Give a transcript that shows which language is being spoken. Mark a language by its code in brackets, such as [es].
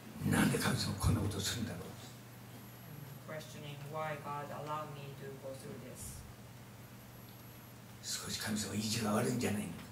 [ja] なんで神様こんなことをするんだろう。 [en] Questioning why God allowed me to go through this. [ja] 少し神様意地が悪いんじゃないの。